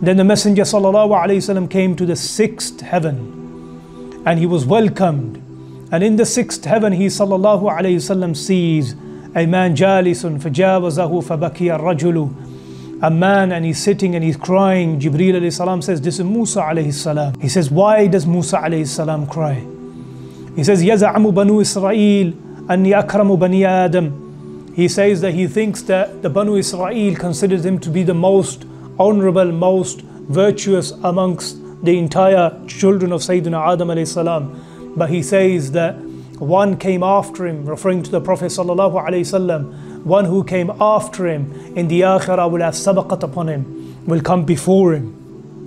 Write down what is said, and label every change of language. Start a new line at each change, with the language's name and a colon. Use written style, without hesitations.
English: Then the Messenger sallallahu alayhi salam came to the sixth heaven, and he was welcomed. And in the sixth heaven, he sallallahu alayhi salam sees a man jalisun
Arabic: فَجَاوَزَهُ فَبَكِيَ الرَّجُلُ,
English: a man, and he's sitting and he's crying. Jibreel alayhi salam says, this is Musa alayhi salam. He says, why does Musa alayhi salam cry? He says,
Arabic: يَزَعَمُ بَنُو إِسْرَائِيلِ أَنِّي أَكْرَمُ بَنِي آدَمْ.
English: He says that he thinks that the Banu Israel considers him to be the most honorable, most virtuous amongst the entire children of Sayyidina Adam alayhi salam. But he says that one came after him, referring to the Prophet sallallahu alayhi salam, one who came after him in the Akhirah will have sabaqat upon him, will come before him.